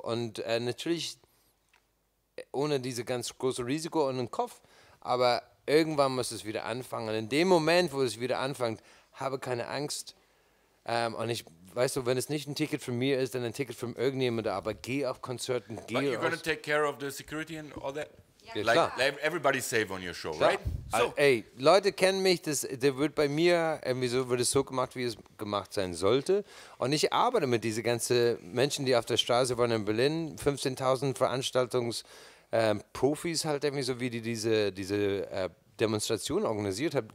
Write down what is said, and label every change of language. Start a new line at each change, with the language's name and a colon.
German: Und natürlich ohne diese ganz große Risiko und den Kopf. Aber irgendwann muss es wieder anfangen. Und in dem Moment, wo es wieder anfängt, habe keine Angst. Und ich, weißt du, wenn es nicht ein Ticket von mir ist, dann ein Ticket von irgendjemandem. Aber geh auf Konzerten, geh aus.
English: But you're gonna take care of the security and all that?
German: Ja,
English: like, like everybody's safe on your show,
German: klar.
English: Right?
German: So. Ey, Leute kennen mich, das wird bei mir irgendwie so, wird es so gemacht, wie es gemacht sein sollte. Und ich arbeite mit diesen ganzen Menschen, die auf der Straße waren in Berlin, 15.000 Veranstaltungsprofis halt irgendwie so, wie die diese Demonstration organisiert haben.